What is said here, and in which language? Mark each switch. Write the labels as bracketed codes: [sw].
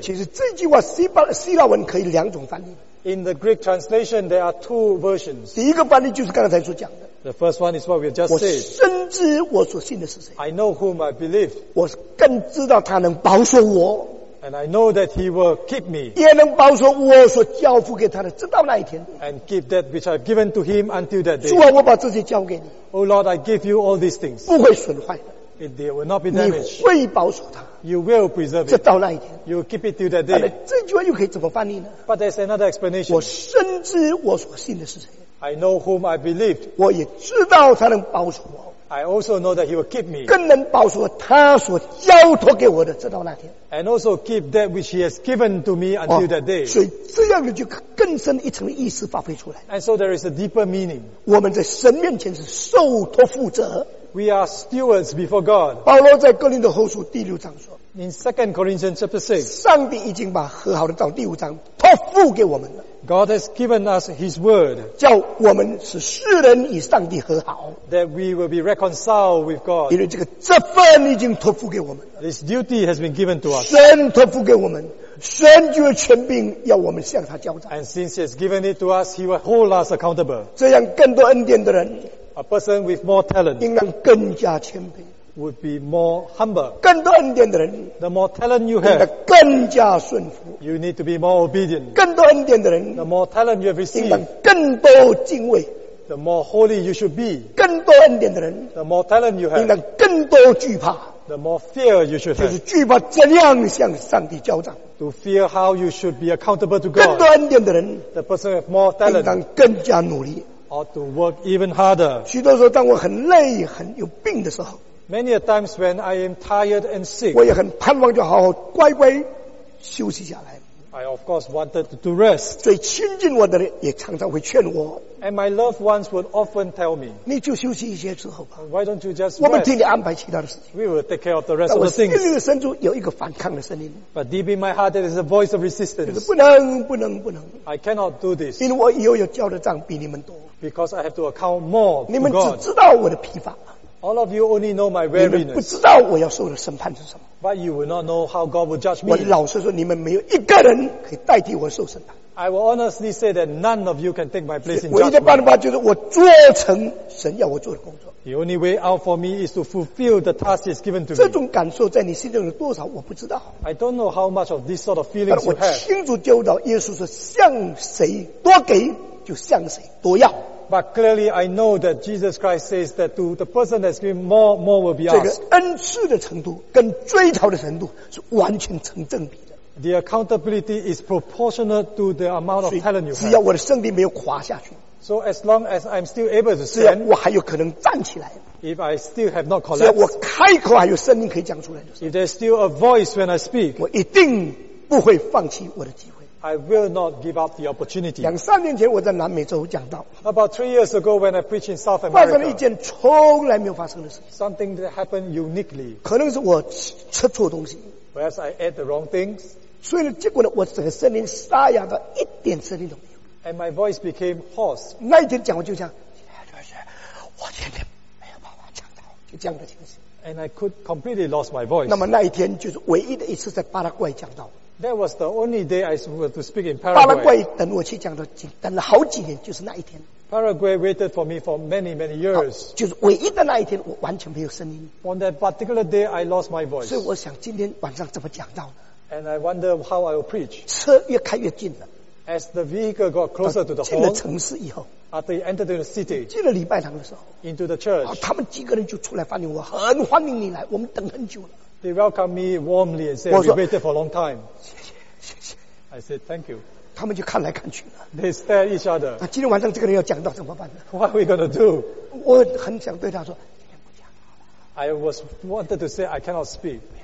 [zh] 其实这句话希腊文可以两种翻译。 [en] In the Greek translation, there are two versions. [zh] 第一个翻译就是刚才所讲的。 [en] The first one is what we just said. [zh] 我深知我所信的是谁。 [en] I know whom I believe. [zh] 我更知道他能保守我。 [en] And I know that he will keep me. [zh] 也能保守我所交付给他的，直到那一天。 [en] And keep that which I've given to him until that day. [zh] 主啊，我把这些交给你。 [en] Oh Lord, I give you all these things. [zh] 不会损坏的。 [en] They will not be damaged. [zh] 你会保守他。 [en] You will preserve it. [zh] 直到那一天。 [en] You will keep it till that day. [zh] 这句话又可以怎么翻译呢？ [en] But there's another explanation. [zh] 我深知我所信的是谁。 [en] I know whom I believed. [zh] 我也知道他能保守我。 [en] I also know that he will keep me. [zh] 更能保守他所交托给我的，直到那天。 [en] And also keep that which he has given to me until that day. [zh] 所以这样的就更深一层的意思发挥出来。 [en] And so there is a deeper meaning. [zh] 我们在神面前是受托负责。 [en] We are stewards before God. [zh] 保罗在哥林多后书第六章说。 [en] In 2 Corinthians chapter 6. [zh] 上帝已经把和好的道第五章托付给我们了。 [en] God has given us His word. [zh] 叫我们使世人与上帝和好。 [en] That we will be reconciled with God. [zh] 因为这份已经托付给我们了。 [en] This duty has been given to us. [zh] 神托付给我们，神就有权柄要我们向他交账。 [en] And since He has given it to us, He will hold us accountable. [zh] 这样更多恩典的人， [en] A person with more talent. [zh] 应当更加谦卑。 [en] Would be more humble. [zh] 更多恩典的人， [en] the more talent you have, [zh] 更加顺服。 [en] You need to be more obedient. [zh] 更多恩典的人， [en] the more talent you have received, [zh] 更多敬畏。 [en] The more holy you should be. [zh] 更多恩典的人， [en] the more talent you have, [zh] 更多惧怕。 [en] The more fear you should have. [zh] 就是惧怕怎样向上帝交账。 [en] To fear how you should be accountable to God. [zh] 更多恩典的人， [en] the person with more talent, [zh] 更加努力。 [en] Or to work even harder. [zh] 许多时候，当我很累、很有病的时候。 [en] Many a times when I am tired and sick, [zh] 我也很盼望就好好乖乖休息下来。 [en] I of course wanted to rest. [zh] 最亲近我的人也常常会劝我。 [en] And my loved ones would often tell me, [zh] 你就休息一些之后吧。 [en] Why don't you just rest? [zh] 我们替你安排其他的事情。 [en] We will take care of the rest of the things. [zh] 但我心里的深处有一个反抗的声音。 [en] But deep in my heart there is a voice of resistance. [zh] 就是不能，不能，不能。 [en] I cannot do this. [zh] 因为我以后要交的账比你们多。 [en] Because I have to account more to God. [zh] 你们只知道我的疲乏。 [en] All of you only know my weariness. [zh] 你们不知道我要受的审判是什么。 [en] But you will not know how God will judge me. [zh] 我老实说，你们没有一个人可以代替我受审判。 [en] I will honestly say that none of you can take my place in judgment. [zh] 唯一的办法就是我做成神要我做的工作。 [en] The only way out for me is to fulfill the task He has given to me. [zh] 这种感受在你心中有多少，我不知道。 [en] I don't know how much of this sort of feelings you have. [zh] 但我清楚知道，耶稣说，向谁多给，就向谁多要。 [en] But clearly I know that Jesus Christ says that to the person that's given more will be asked. [zh] 这个恩赐的程度跟追讨的程度是完全成正比的。 [en] The accountability is proportional to the amount of talent you have. [zh] 只要我的身体没有垮下去。 [en] So as long as I'm still able to stand, [zh] 我还有可能站起来。 [en] If I still have not collapsed, [zh] 只要我开口还有声音可以讲出来的时候。 [en] If there's still a voice when I speak, [zh] 我一定不会放弃我的机会。 [en] I will not give up the opportunity. [zh] 两三年前我在南美洲讲道。 [en] About 3 years ago when I preached in South America. [zh] 发生了一件从来没有发生的事情。 [en] Something that happened uniquely. [zh] 可能是我吃错东西。 [en] Whereas I ate the wrong things. [zh] 所以结果呢，我整个声音沙哑到一点声音都没有。 [en] And my voice became hoarse. [zh] 那一天讲我就讲，我今天没有办法讲道，就这样的情形。 [en] And I could completely lost my voice. [zh] 那么那一天就是唯一的一次在巴拉圭讲道。 [en] That was the only day I was to speak in Paraguay. [zh] 巴拉圭等我去讲的，等了好几年，就是那一天。 [en] Paraguay waited for me for many, many years. [zh] 就是唯一的那一天，我完全没有声音。 [en] On that particular day, I lost my voice. [zh] 所以我想今天晚上怎么讲到呢？ [en] And I wonder how I will preach. [zh] 车越开越近了。 [en] As the vehicle got closer to the home. [zh] 进了城市以后。 [en] After you entered the city. [zh] 进了礼拜堂的时候。 [en] Into the church. [zh] 他们几个人就出来欢迎我，很欢迎你来，我们等很久了。 [en] They welcomed me warmly and said, "We waited for a long time." [zh] 谢谢 [en] I said, "Thank you." [zh] 他们就看来看去了。 [en] They stared each other. [zh] 那今天晚上这个人要讲到怎么办呢？ [en] What are we going to do? [zh] 我很想对他说，今天不讲好了。 [en] I was wanted to say, "I cannot speak."